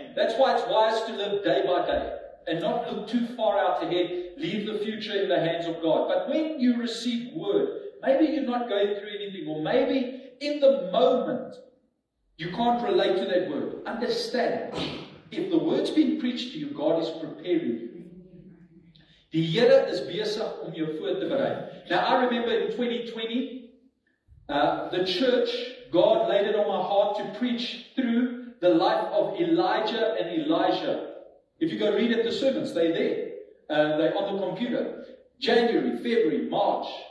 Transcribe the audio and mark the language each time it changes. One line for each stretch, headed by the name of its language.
English: That's why it's wise to live day by day and not look too far out ahead. Leave the future in the hands of God. But when you receive word, maybe you're not going through anything, or maybe in the moment you can't relate to that word. Understand, if the word's been preached to you, God is preparing you.
Afrikaans: Die Here is besig om jou voor te berei.
English: Now I remember in 2020, the church, God laid it on my heart to preach through the life of Elijah and Elisha. If you go read it, the sermons, they're there. They're on the computer. January, February, March.